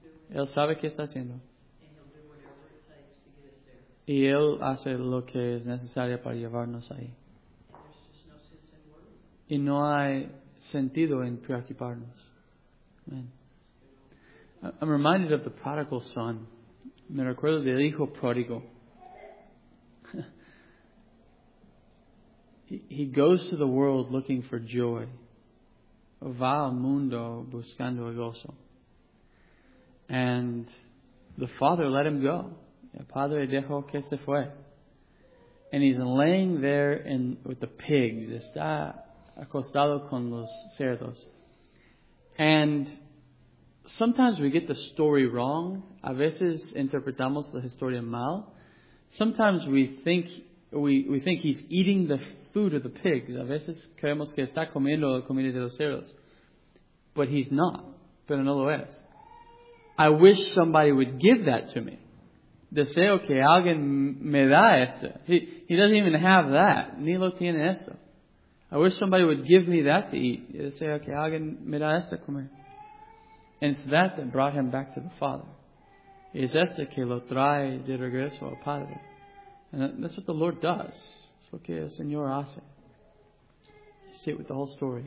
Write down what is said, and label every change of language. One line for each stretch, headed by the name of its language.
Spanish: Él sabe qué está haciendo y Él hace lo que es necesario para llevarnos ahí y no hay sentido en preocuparnos. Amen.
English: I'm reminded of the prodigal son.
Spanish: Me recuerdo del hijo pródigo.
English: He goes to the world looking for joy.
Spanish: Va al mundo buscando el gozo.
English: And the father let him go.
Spanish: El padre dejó que se fue.
English: And he's laying there with the pigs.
Spanish: Está acostado con los cerdos.
English: And sometimes we get the story wrong.
Spanish: A veces interpretamos la historia mal.
English: Sometimes we think he's eating the food of the pigs.
Spanish: A veces creemos que está comiendo la comida de los cerdos.
English: But he's not.
Spanish: Pero no lo es.
English: I wish somebody would give that to me.
Spanish: Deseo que alguien me da esto.
English: He doesn't even have that.
Spanish: Ni lo tiene esto.
English: I wish somebody would give me that to eat.
Spanish: Deseo que alguien me da esto comer.
English: And it's that that brought him back to the Father.
Spanish: Es esto que lo trae de regreso al Padre.
English: And that's what the Lord does.
Spanish: Es lo que el Señor hace.
English: You see it with the whole story.